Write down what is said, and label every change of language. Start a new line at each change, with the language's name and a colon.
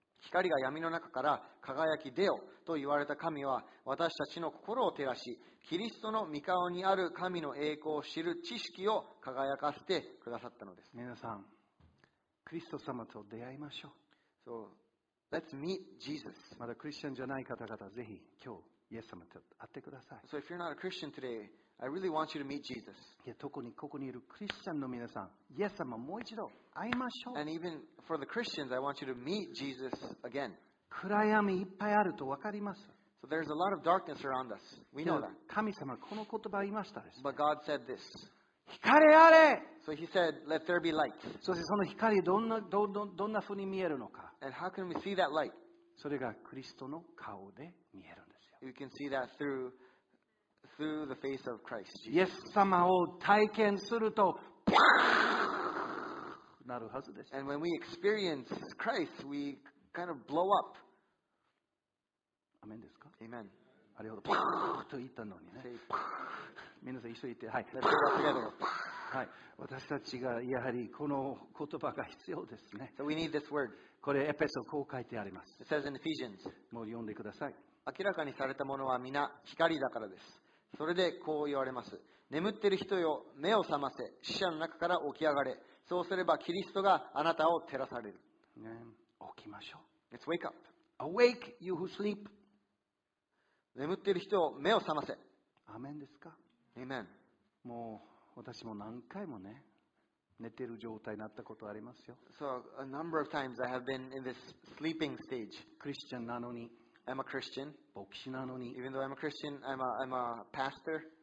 Japanese: 光が闇の中から輝き出よと言われた神は私たちの心を照らしキリストの御顔にある神の栄光を知る知識を輝かせてくださったのです。皆さんクリスト様と出会いましょう。
English: So let's meet Jesus.
Japanese: まだクリスチャンじゃない方々ぜひ今日イエス様と会ってください。
English: So if you're not a Christian today, I really want you to meet Jesus.
Japanese: いや特にここにいるクリスチャンの皆さんイエス様もう一度会いましょう。
English: And even for the Christians, I want you to meet Jesus again.
Japanese: 暗闇いっぱいあると分かります。
English: So there's a lot of darkness around us. We know that.
Japanese: 神様この言葉言いましたですね。
English: But God said this.
Japanese: 光あれ。
English: So He said, let there be light.
Japanese: そしてその光どんなふうに見えるのか。
English: And how can we see that light?
Japanese: それがクリストの顔で見えるんですよ。
English: You can see that through the face of Christ Jesus.
Japanese: イエス様を体験するとパーンなるはずです。
English: And when we experience Christ, we kind of blow up.
Japanese: アメンですか？
English: Amen.
Japanese: あれほどパーンと言ったのにね。
English: Say, パーン。
Japanese: 皆さん一緒に言って、はい。
English: Let's go together.
Japanese: はい。私たちがやはりこの言葉が必要ですね。
English: So we need this word.
Japanese: これエペソこう書いてあります。
English: It says in Ephesians.
Japanese: もう読んでください。明らかにされたものは皆光だからです。それでこう言われます。眠ってる人よ、目を覚ませ、死者の中から起き上がれ。そうすればキリストがあなたを照らされる。ね、起きましょう。
English: Let's wake up. Awake, you who sleep.
Japanese: 眠ってる人よ、目を覚ませ。アメンですか？
English: Amen.
Japanese: もう私も何回もね、寝てる状態になったことありますよ。
English: So a number of times I have been in this sleeping stage.
Japanese: クリスチャンなのに、
English: I'm a Christian.
Japanese: 牧師なのに、
English: Even though I'm a Christian, I'm a pastor.